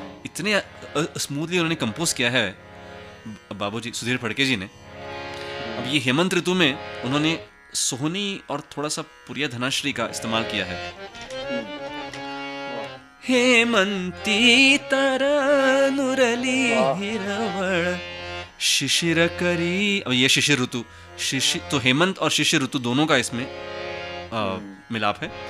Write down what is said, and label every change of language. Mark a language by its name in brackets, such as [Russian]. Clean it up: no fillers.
[Hindi] इतने स्मूथली उन्होंने कंपोज किया है बाबूजी सुधीर फड़के जी ने. अब ये हेमंत ऋतु में उन्होंने सोहनी और थोड़ा सा पुरिया धनाश्री का इस्तेमाल किया है. [Marathi] हेमंती तर नुरली हिरवण शिशिर करी. [Hindi] अब ये शिशिर ऋतु तो हेमंत और शिशिर ऋतु दोनों का इसमें मिलाप है.